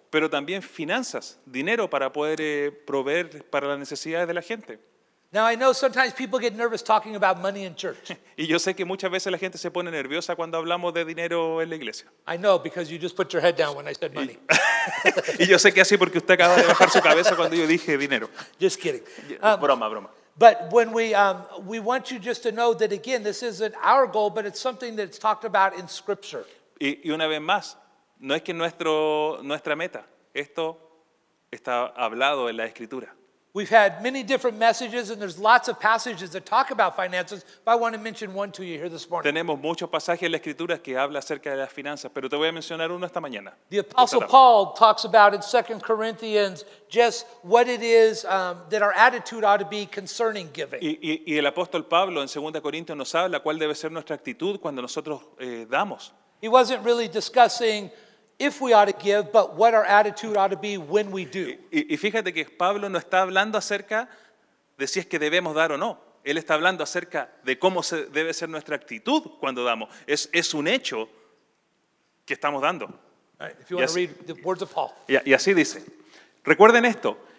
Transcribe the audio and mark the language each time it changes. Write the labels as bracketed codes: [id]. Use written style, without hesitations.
[es] Pero también finanzas, dinero para poder proveer para las necesidades de la gente. [en] Now I know sometimes people get nervous talking about money in church. [es] Y yo sé que muchas veces la gente se pone nerviosa cuando hablamos de dinero en la iglesia. [en] I know because you just put your head down when I said money. [es] Y yo sé que así porque usted acaba de bajar su cabeza cuando yo dije dinero. [en] Just kidding. [es] Broma. [en] But when we want you just to know that again, this isn't our goal, but it's something that's talked about in Scripture. [es] Y una vez más, no es que nuestra meta, esto está hablado en la Escritura. [en] We've had many different messages, and there's lots of passages that talk about finances, but I want to mention one to you here this morning. [es] Tenemos muchos pasajes en la Escritura que habla acerca de las finanzas, pero te voy a mencionar uno esta mañana. [en] The Apostle Paul talks about in 2 Corinthians just what it is that our attitude ought to be concerning giving. [es] Y el apóstol Pablo en 2 Corintios nos habla cuál debe ser nuestra actitud cuando nosotros damos. [en] He wasn't really discussing if we ought to give, but what our attitude ought to be when we do. [es] Y fíjate que Pablo no está hablando acerca de si es que debemos dar o no. Él está hablando acerca de cómo debe ser nuestra actitud cuando damos. Es un hecho que estamos dando. Y así dice. Recuerden esto.